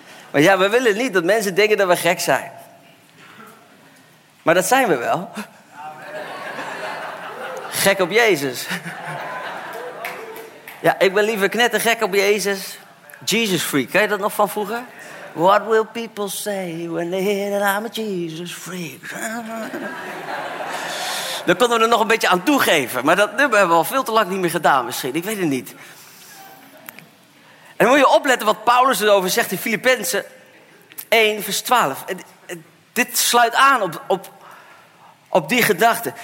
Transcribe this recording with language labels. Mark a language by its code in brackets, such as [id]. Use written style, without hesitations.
[nl] Maar ja, we willen niet dat mensen denken dat we gek zijn. Maar dat zijn we wel. Amen. Gek op Jezus. Ja, ik ben liever knettergek op Jezus. Jesus freak, ken je dat nog van vroeger? [en] What will people say when they hear that I'm a Jesus freak? [nl] Dan konden we er nog een beetje aan toegeven. Maar dat nummer hebben we al veel te lang niet meer gedaan misschien. Ik weet het niet. En dan moet je opletten wat Paulus erover zegt in Filippenzen 1 vers 12. Dit sluit aan op die gedachte.